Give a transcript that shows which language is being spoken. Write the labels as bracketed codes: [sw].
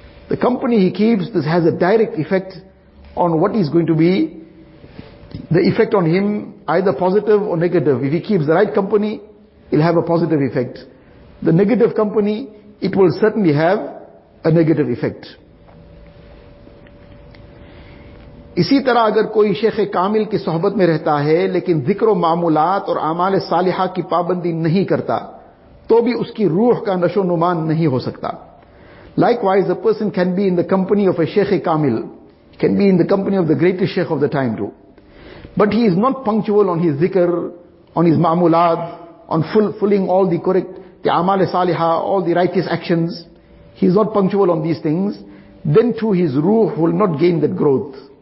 [en] The company he keeps, this has a direct effect on what is going to be the effect on him, either positive or negative. If he keeps the right company, it'll have a positive effect. The negative company, it will certainly have a negative effect. [ur] اسی طرح اگر کوئی شیخ کامل کی صحبت میں رہتا ہے لیکن ذکر و معمولات اور اعمال صالحہ کی پابندی نہیں کرتا تو بھی اس کی روح کا نشو نما نہیں ہو سکتا. [en] Likewise, a person can be in the company of a شیخ کامل, can be in the company of the greatest شیخ of the time too, but he is not punctual on his ذکر, on his معمولات, on fulfilling all the correct the amal saliha, all the righteous actions, he's not punctual on these things, then too his ruh will not gain that growth.